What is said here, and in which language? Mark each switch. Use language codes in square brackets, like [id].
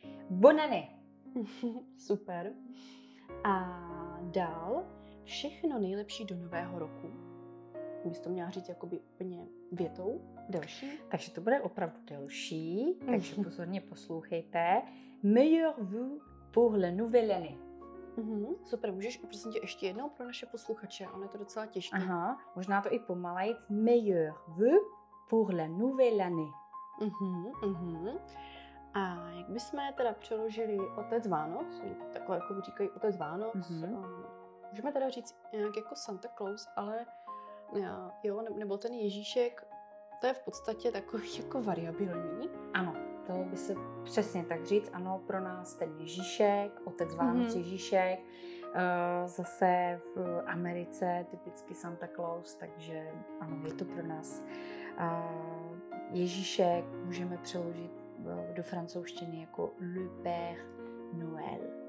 [fr] Bonany. [cs] Super. A dál všechno nejlepší do nového roku. Bys to měla říct jakoby úplně větou delší. Takže to bude opravdu delší, takže pozorně poslouchejte. [fr] Meilleur vœu pour la nouvelle année. Mm-hmm. [cs] Super, můžeš prosím tě ještě jednou pro naše posluchače, ono je to docela těžké. Aha, možná to i pomalejc. [fr] Meilleur vœu pour la nouvelle année. Mm-hmm. [cs] A jak bychom teda přeložili Otec Vánoc, takhle jako říkají Otec Vánoc, můžeme teda říct nějak jako Santa Claus, ale jo, nebo ten Ježíšek, to je v podstatě takový jako variabilní. Ano, to by se přesně tak říct, ano, pro nás ten Ježíšek, Otec Vánoc, Ježíšek, zase v Americe typicky Santa Claus, takže ano, je to pro nás Ježíšek, můžeme přeložit do francouzštiny jako Le Père Noël.